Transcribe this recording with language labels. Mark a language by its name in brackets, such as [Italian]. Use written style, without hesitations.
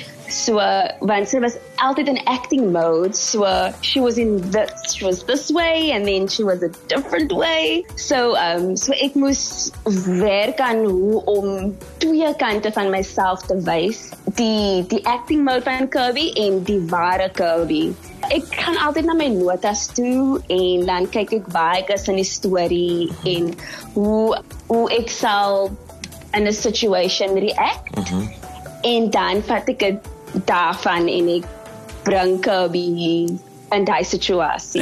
[English] So, want sy was altyd in acting mode, so she was in this, she was this way, and then she was a different way. [Afrikaans] So, so ek moes werk aan hoe om twee kante van myself te wys. Die acting mode van Kirby en die ware Kirby. Ek gaan altyd na my notas toe en dan kyk ek waar ek is in die story en hoe ek sal in 'n situation react. En dan vat ek dit daarvan en ek bring Kirby in die situasie.